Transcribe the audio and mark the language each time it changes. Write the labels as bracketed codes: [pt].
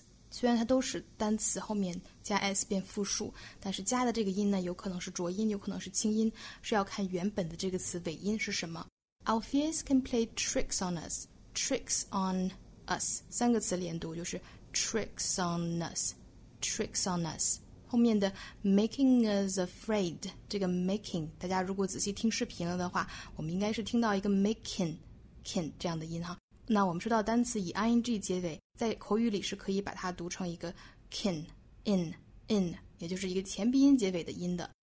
[zh] 虽然它都是单词后面加 s 变复数，但是加的这个音呢有可能是浊音有可能是清音，是要看原本的这个词尾音是什么。 [en] Our fears can play tricks on us， tricks on us [zh] 三个词连读就是 [en] tricks on us， tricks on us。 [zh] 后面的 [en] making us afraid， [zh] 这个 making 大家如果仔细听视频了的话，我们应该是听到一个 making 这样的音哈。那我们说到单词以 ing 结尾，在口语里是可以把它读成一个 kin in 也就是一个前鼻音结尾的音的。